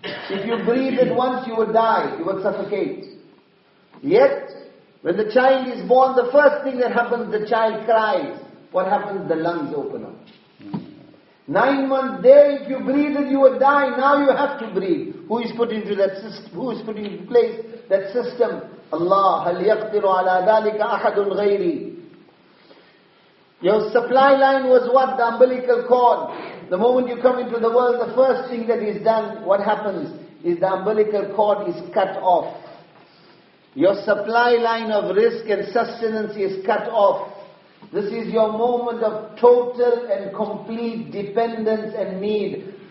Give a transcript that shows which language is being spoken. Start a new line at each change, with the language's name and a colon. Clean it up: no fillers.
English: If you breathe at once, you would die, you would suffocate. Yet, when the child is born, the first thing that happens, the child cries. What happens? The lungs open up. 9 months there, if you breathe it, you would die. Now you have to breathe. Who is put into that system? Who is put into place that system?
Arabic: Allah, هَلْ يَقْدِرُ عَلَىٰ ذَلِكَ أَحَدٌ غَيْرِي.
English: Your supply line was what? The umbilical cord. The moment you come into the world, the first thing that is done, what happens? Is the umbilical cord is cut off. Your supply line of risk and sustenance is cut off. This is your moment of total and complete dependence and need.